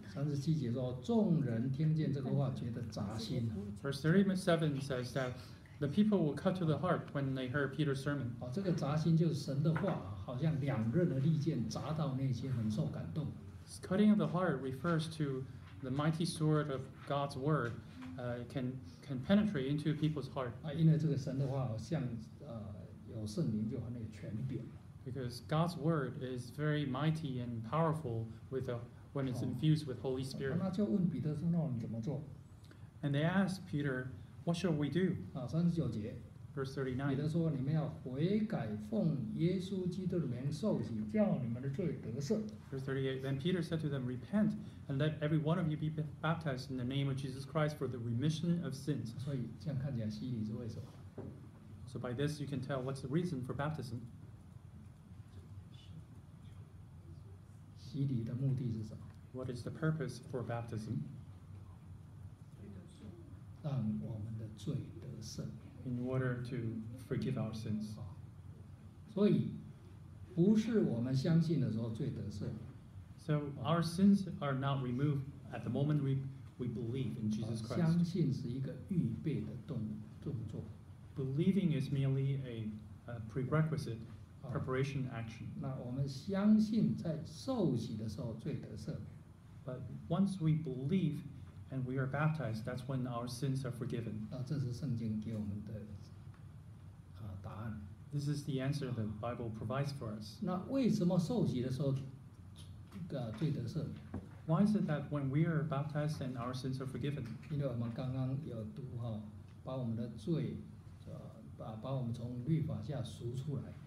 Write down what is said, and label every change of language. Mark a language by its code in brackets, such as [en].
[zh] 37节说，众人听见这个话，觉得扎心。 [en] Verse 37 says that the people were cut to the heart when they heard Peter's sermon. [zh] 这个扎心就是神的话，好像两刃的利剑扎到那些很受感动。 [en] Cutting of the heart refers to the mighty sword of God's word. Can penetrate into people's heart. [zh] 因为这个神的话好像有圣灵，就很有权柄。 [en] Because God's word is very mighty and powerful when it's infused with Holy Spirit. [zh] 那就问彼得说，那我们怎么做？ [en] And they asked Peter, what shall we do? [zh] 39节。 [en] Verse 39. [zh] 彼得说，你们要悔改，奉耶稣基督的名受洗，叫你们的罪得赦。 [en] Verse 38. Then Peter said to them, repent and let every one of you be baptized in the name of Jesus Christ for the remission of sins. [zh] 所以这样看起来洗礼是为什么？ [en] So by this you can tell what's the reason for baptism. [zh] 洗礼的目的是什么？ [en] What is the purpose for baptism? [zh] 让我们的罪得赦。 [en] In order to forgive our sins. [zh] 所以不是我们相信的时候罪得赦。 [en] So our sins are not removed at the moment we believe in Jesus Christ. [zh] 相信是一个预备的动作。 [en] Believing is merely a prerequisite. Preparation action. [zh] 那我们相信在受洗的时候罪得赦。 [en] But once we believe and we are baptized, that's when our sins are forgiven. [zh] 那这是圣经给我们的答案。 [en] This is the answer the Bible provides for us. [zh] 那为什么受洗的时候罪得赦？ [en] Why is it that when we are baptized and our sins are forgiven? [zh] 因为我们刚刚有读把我们的罪把我们从律法下赎出来。